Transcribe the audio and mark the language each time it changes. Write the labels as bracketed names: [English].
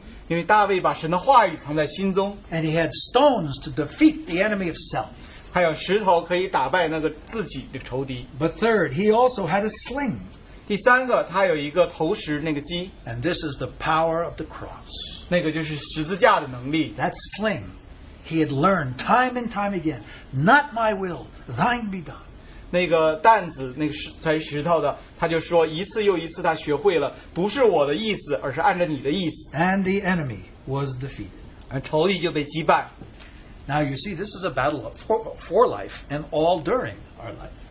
[Chinese] 因为大卫把神的话语藏在心中, [English] and he had stones to defeat the enemy of self. [Chinese] 还有石头可以打败那个自己的仇敌, [English] but third, he also had a sling. [Chinese] 第三个, 他有一个投石, 那个鸡, [English] and this is the power of the cross. [Chinese] 那个就是十字架的能力, [English] that sling, he had learned time and time again, not my will, thine be done. [Chinese] 那个担子,那个才石头的, 他就说一次又一次他学会了, 不是我的意思, 而是按着你的意思, [English] and the enemy was defeated. [Chinese] 而仇敌就被击败。 [English] Now you see, this is a battle for life and all during our life.